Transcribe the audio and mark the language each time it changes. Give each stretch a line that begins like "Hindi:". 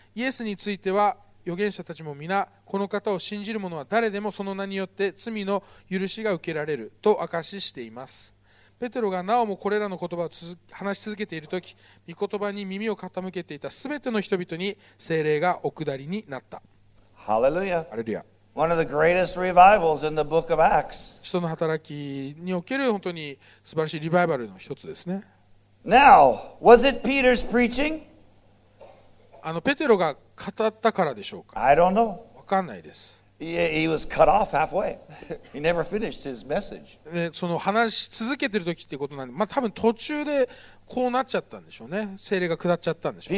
Japanese: イエスについては預言者たちも皆、この方を信じる者は誰でもその名によって罪の許しが受けられると証ししています。ペテロがなおもこれらの言葉を話し続けているとき、御言葉に耳を傾けていたすべての人々に聖霊がお下りになった。ハレルヤ。ハレルヤ。
English: One of the greatest revivals in the book of Acts.
Japanese: 使徒の働きにおける本当に素晴らしいリバイバルの一つですね。
English: Now, was it Peter's preaching?
Japanese: ペテロが語ったからでしょうか?
English: I don't know.
Japanese: わかんないです。
English: He was cut off halfway. He never finished his message.
Japanese: その話し続けてる時ってことなんで、まあ多分途中でこうなっちゃったんでしょうね。聖霊が下っちゃったんでしょう。